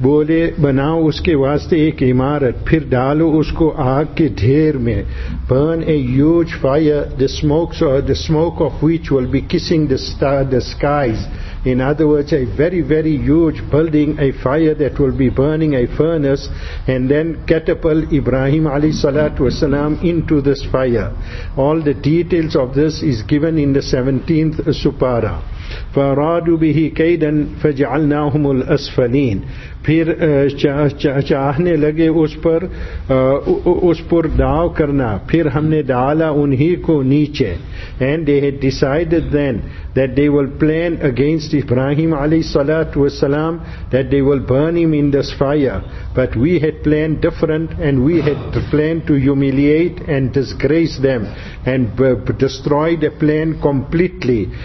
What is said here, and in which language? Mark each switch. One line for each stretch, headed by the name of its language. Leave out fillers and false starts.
Urdu: بولے بناو اس کے واسطے ایک عمارت پھر ڈالو اس کو آگ کے ڈھیر میں.
English: Burn a huge fire, the smoke of which will be kissing the skies. In other words, a very, very huge building, a fire that will be burning a furnace, and then catapult Ibrahim alayhi salatu wasalam into this fire. All the details of this is given in the 17th supara.
Arabic: فَرَادُوا بِهِ كَيْدًا فَجَعَلْنَاهُمُ الْأَسْفَلِينَ.
Urdu: پھر چاہنے لگے اس پر دعو کرنا, پھر ہم نے ڈالا انہی کو نیچے.
English: And they had decided then that they will plan against Ibrahim alayhi salatu wasalam, that they will burn him in this fire. But we had planned different, and we had planned to humiliate and disgrace them and destroy the plan completely.